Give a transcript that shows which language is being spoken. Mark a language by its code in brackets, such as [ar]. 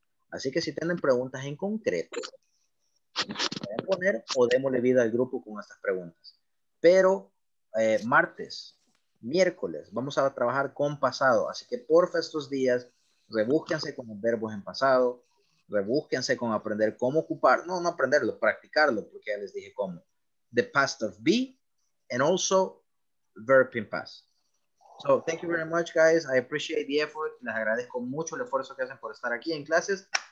[es] Así que si tienen preguntas en concreto, pueden poner o démosle vida al grupo con estas preguntas. Pero martes, miércoles, vamos a trabajar con pasado. Así que porfa estos días, rebúsquense con los verbos en pasado, rebúsquense con aprender cómo ocupar, no aprenderlo, practicarlo, porque ya les dije cómo. [en] The past of be, and also verb in past. So, thank you very much, guys. I appreciate the effort. [es] Les agradezco mucho el esfuerzo que hacen por estar aquí en clases.